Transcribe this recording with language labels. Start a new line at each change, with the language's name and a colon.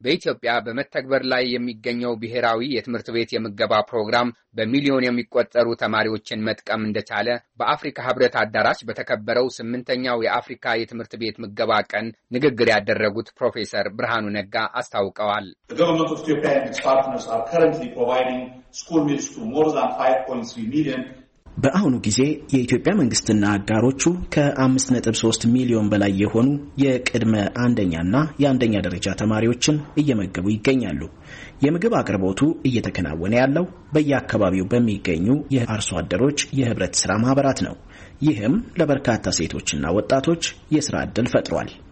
Amharic: በኢትዮጵያ በመተግበር ላይ የሚገኘው ብሔራዊ የትምህርት ቤት የምገባ ፕሮግራም በሚሊዮን የሚቆጠሩ ተማሪዎችን መጥቀም እንደቻለ በአፍሪካ ህብረት አዳራሽ በተከበረው 8ኛው የአፍሪካ የትምህርት ቤት ምገባ ቀን ንግግር ያደረጉት ፕሮፌሰር ብርሃኑ ነጋ አስታውቀዋል።
English: The government of Japan and its partners are currently providing school meals to more than 5.3 million.
Amharic: በአሁኑ ጊዜ የኢትዮጵያ መንግስትና አጋሮቹ ከ5.3 ሚሊዮን በላይ የሆኑ የቅድመ አንደኛና የአንደኛ ደረጃ ተማሪዎችን እየመገቡ ይገኛሉ። የምግብ አቅርቦቱ እየተከናወነ ያለው በየአካባቢው በሚገኙ የአርሶ አደሮች የህብረት ስራ ማህበራት ነው። ይህም ለበርካታ ሴቶችና ወጣቶች የስራ እድል ፈጥሯል።